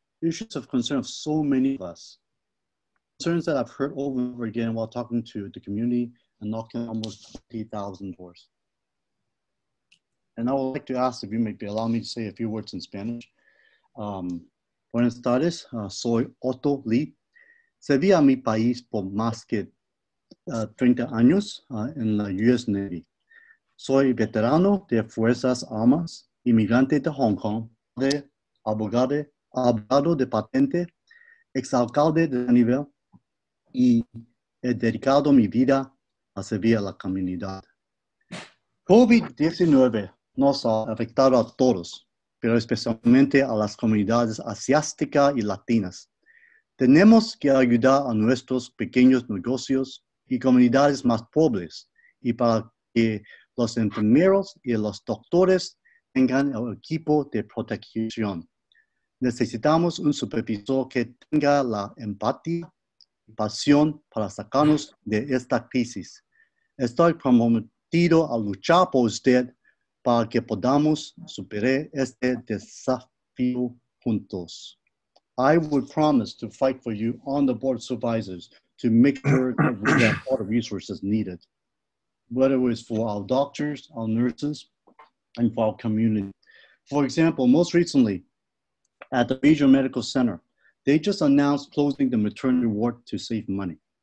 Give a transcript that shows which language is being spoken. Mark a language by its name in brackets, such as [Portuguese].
[English] Issues of concern of so many of us. Concerns that I've heard over and over again while talking to the community and knocking on almost 20,000 doors. And I would like to ask if you maybe allow me to say a few words in Spanish. [Spanish] Buenas tardes, soy Otto Lee. Serví a mi país por más que 30 años en la U.S. Navy. Soy veterano de Fuerzas Armas, inmigrante de Hong Kong, de abogado, abogado de patente, exalcalde de nivel y he dedicado mi vida a servir a la comunidad. COVID-19 nos ha afectado a todos, pero especialmente a las comunidades asiáticas y latinas. Tenemos que ayudar a nuestros pequeños negocios y comunidades más pobres y para que los enfermeros y los doctores tengan el equipo de protección. Necesitamos un supervisor que tenga la empatía y pasión para sacarnos de esta crisis. Estoy comprometido a luchar por usted para que podamos superar este desafío juntos. [English] I would promise to fight for you on the Board of Supervisors to make sure that we have all the resources needed, whether it's for our doctors, our nurses, and for our community. For example, most recently, at the Regional Medical Center, they just announced closing the maternity ward to save money.